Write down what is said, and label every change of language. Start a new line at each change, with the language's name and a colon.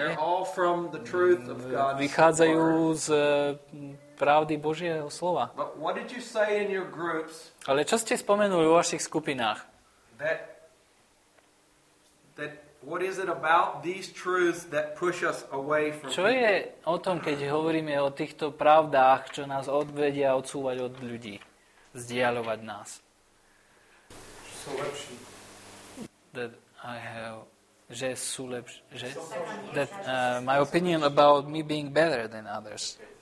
English: They're all from the truth of God's word.
Slovak: Vychádzajú z pravdy Božieho slova.
English: But what did you say in your groups?
Slovak: Ale čo ste spomenuli vo vašich skupinách?
English: That what is it about these truths that push us away from?
Slovak: Čo je o tom, keď hovoríme o týchto pravdách, čo nás odvedia odsúvať od ľudí, vzdialovať nás? Sú lepší.
English: My opinion about me being better than others.